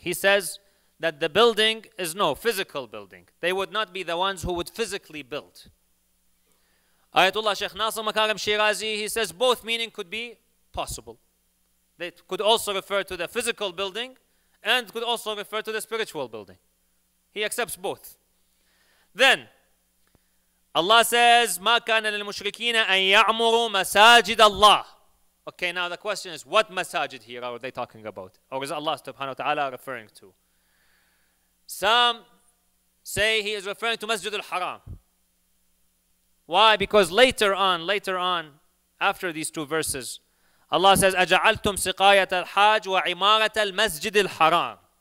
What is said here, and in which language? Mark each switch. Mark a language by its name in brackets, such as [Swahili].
[English] He says that the building is no physical building. They would not be the ones who would physically build. Ayatollah Sheikh Nasir Makarem Shirazi, he says both meaning could be possible. They could also refer to the physical building and could also refer to the spiritual building. He accepts both. Then, Allah says, [Arabic] مَا كَانَ لِلْمُشْرِكِينَ أَن يَعْمُرُوا مَسَاجِدَ اللَّهِ. [English] Okay, now the question is, what masajid here are they talking about? Or is Allah subhanahu wa ta'ala referring to? Some say he is referring to Masjid al-Haram. Why? Because later on, after these two verses, Allah says, [Arabic] أَجَعَلْتُمْ سِقَايَةَ الْحَاجِ وَعِمَارَةَ الْمَسْجِدِ الْحَرَامِ.